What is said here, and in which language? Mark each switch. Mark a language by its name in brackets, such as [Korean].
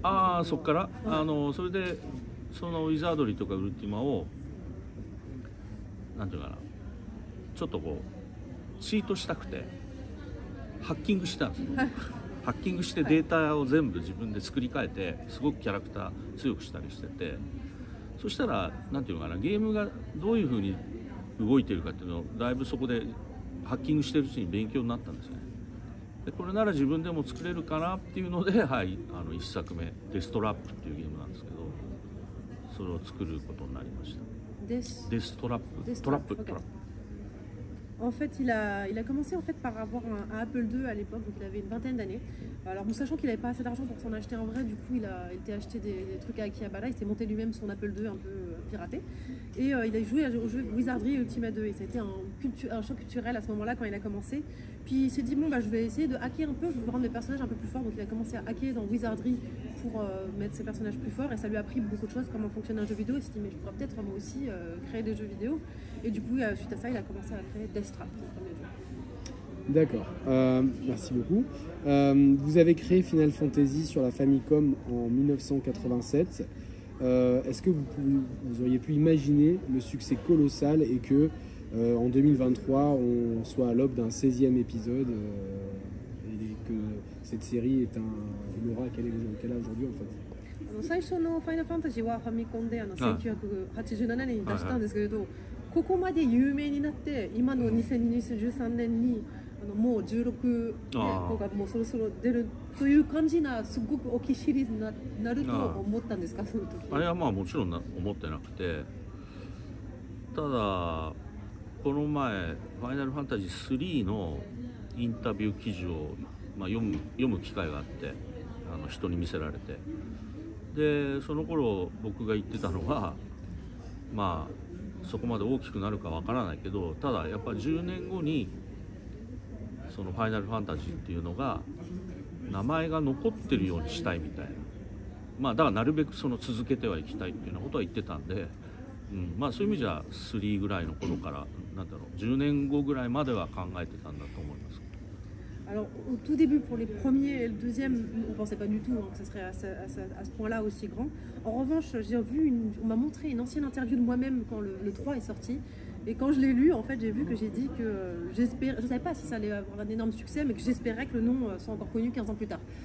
[Japanese] ああそっから、はい、あのそれでそのウィザードリーとかウルティマをなんていうかな、ちょっとこうチートしたくてハッキングしたんですハッキングしてデータを全部自分で作り変えてすごくキャラクター強くしたりしてて、そしたらなんていうかな、ゲームがどういう風に動いてるかっていうのをだいぶそこでハッキングしてるうちに勉強になったんですね。でこれなら自分でも作れるかなっていうので、はい、あの1作目デストラップっていうゲームなんですけど、それを作ることになりました。デストラップ、トラップ、トラップ。 [French] En fait, il a commencé en fait par avoir un Apple II à l'époque, donc il avait une vingtaine d'années. Alors, bon, sachant qu'il n'avait pas assez d'argent pour s'en acheter en vrai, du coup, il a acheté des trucs à Akihabara, il s'est monté lui-même son Apple II un peu piraté. Et il a joué au jeu Wizardry Ultima 2, et ça a été un choc culturel à ce moment-là quand il a commencé. Puis il s'est dit, bon, bah, je vais essayer de hacker un peu, je vais rendre mes personnages un peu plus forts. Donc il a commencé à hacker dans Wizardry pour mettre ses personnages plus forts, et ça lui a appris beaucoup de choses, comment fonctionne un jeu vidéo. Et il s'est dit, mais je pourrais peut-être moi aussi créer des jeux vidéo. Et du coup, suite à ça, il a commencé à créer Death Trap, son premier jeu. D'accord, merci beaucoup. Vous avez créé Final Fantasy sur la Famicom en 1987. Est-ce que vous auriez pu imaginer le succès colossal et que en 2023 on soit à l'aube d'un 16e épisode et que cette série est un aura qu'elle a aujourd'hui en fait? [Japanese] 最初の Final Fantasy はファミコンで1987年に出したんですけれど、ここまで有名になって今の2023年にもう16年後がもうそろそろ出るという感じな、すごく大きいシリーズになると思ったんですか、その時？あれはまあもちろん思ってなくて、ただこの前ファイナルファンタジー3のインタビュー記事を、まあ、読む機会があって、あの人に見せられて、でその頃僕が言ってたのは、まあそこまで大きくなるかわからないけど、ただやっぱ10年後にそのファイナルファンタジーっていうのが名前が残ってるようにしたいみたいな、まあだからなるべくその続けてはいきたいっていうようなことは言ってたんで、うん、まあそういう意味じゃ3ぐらいの頃から何だろう、10年後ぐらいまでは考えてたんだと思います。 [French] Alors au tout début, pour les premiers et le deuxième, on ne pensait pas du tout hein, que ça serait à ce point-là aussi grand. En revanche, on m'a montré une ancienne interview de moi-même quand le 3 est sorti. Et quand je l'ai lu, en fait, j'ai vu que j'ai dit que j'espérais, je ne savais pas si ça allait avoir un énorme succès, mais que j'espérais que le nom soit encore connu 15 ans plus tard.